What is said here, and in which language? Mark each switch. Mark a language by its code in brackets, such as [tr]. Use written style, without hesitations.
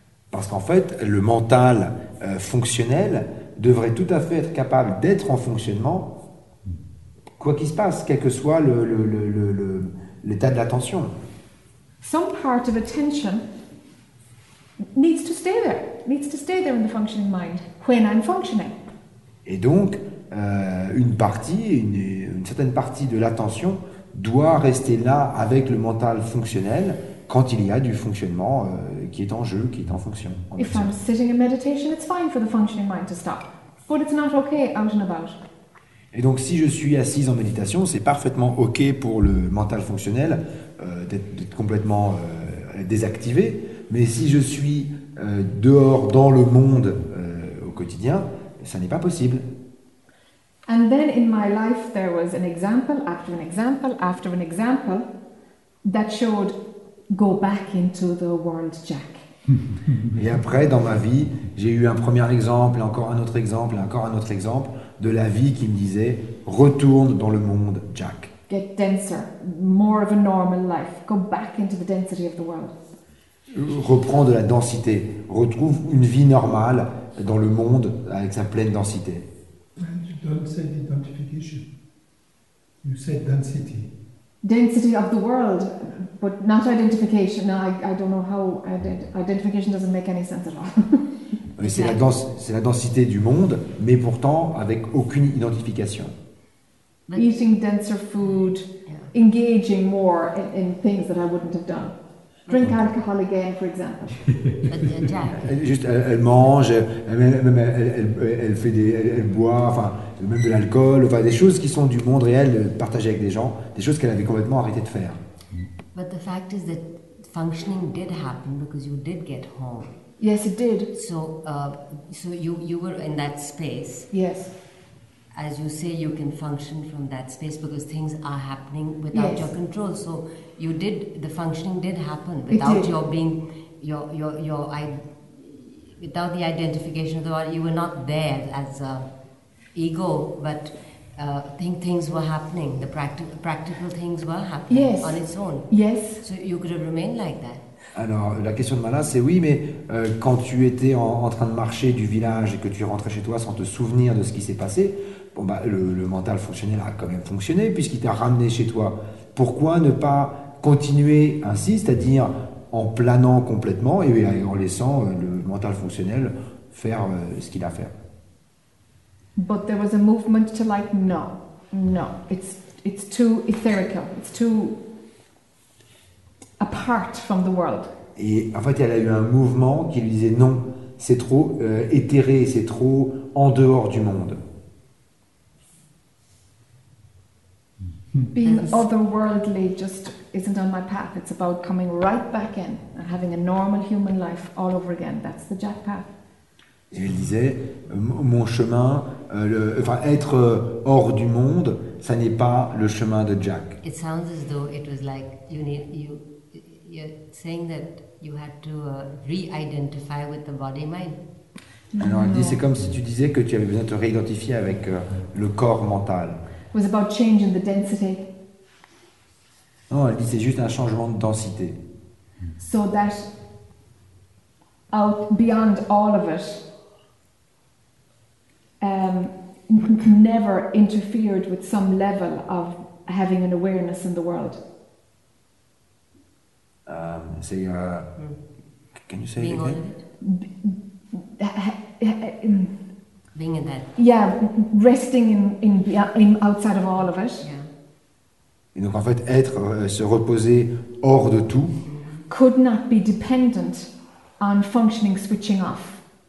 [fr] Parce qu'en fait, le mental fonctionnel devrait tout à fait être capable d'être en fonctionnement, quoi qu'il se passe, quel que soit le l'état de l'attention. [en] Some part of attention needs to stay there in the functioning mind when I'm functioning. [fr] Et donc, une certaine partie de l'attention doit rester là avec le mental fonctionnel quand il y a du fonctionnement qui est en jeu, qui est en fonction. [en] If I'm sitting in meditation, it's fine for the functioning mind to stop. But it's not okay out and about. [fr] Et donc si je suis assise en méditation, c'est parfaitement ok pour le mental fonctionnel d'être complètement désactivé. Mais si je suis dehors dans le monde au quotidien, ça n'est pas possible. [en] And then in my life, there was an example after an example after an example that showed go back into the world, Jack. [fr] Et après, dans ma vie, j'ai eu un premier exemple, et encore un autre exemple, et encore un autre exemple de la vie qui me disait retourne dans le monde, Jack. [en] Get denser, more of a normal life. Go back into the density of the world. [fr] Reprends de la densité. Retrouve une vie normale dans le monde avec sa pleine densité. [en] Don't say identification. You say density. density of the world, but not identification. No, I don't know how identification doesn't make any sense at all. [fr] Mais c'est, c'est la densité du monde, mais pourtant avec aucune identification. [en] Eating denser food, engaging more in things that I wouldn't have done. Drink alcohol again, for example. [fr] Juste, elle mange, elle fait des, elle boit, enfin, même de l'alcool, enfin, des choses qui sont du monde réel partagées avec des gens, des choses qu'elle avait complètement arrêté de faire. [en] But the fact is that functioning did happen because you did get home. Yes, it did. So, so you were in that space. Yes. As you say, you can function from that space because things are happening without your control. So you did, the functioning did happen without your being, without the identification of the body. You were not there as a ego, but things were happening. The practical things were happening on its own. Yes. So you could have remained like that. [fr] Alors, la question de Mala, c'est oui, mais quand tu étais en train de marcher du village et que tu rentrais chez toi sans te souvenir de ce qui s'est passé, bon, bah, le mental fonctionnel a quand même fonctionné puisqu'il t'a ramené chez toi. Pourquoi ne pas continuer ainsi, c'est-à-dire en planant complètement et en laissant le mental fonctionnel faire ce qu'il a à faire? [en] But there was a movement to like, no, no, it's too etherical, it's too apart from the world. [fr] Et en fait, elle a eu un mouvement qui lui disait non, c'est trop éthéré, c'est trop en dehors du monde. [en] Being otherworldly just isn't on my path. It's about coming right back in and having a normal human life all over again. That's the Jack path. [fr] Et elle disait mon chemin, être hors du monde, ça n'est pas le chemin de Jack. [en] It sounds as though it was like you're saying that you had to re-identify with the body mind. [fr] Alors elle dit, c'est comme si tu disais que tu avais besoin de te réidentifier avec le corps mental. [en] It was about changing the density. [fr] Non, elle dit c'est juste un changement de densité. [en] So that out beyond all of it never interfered with some level of having an awareness in the world. Can you say being it again? Being in that. Yeah, resting in outside of all of it. Yeah. [fr] Et donc en fait, être, se reposer hors de tout. [en] Could not be dependent on functioning switching off.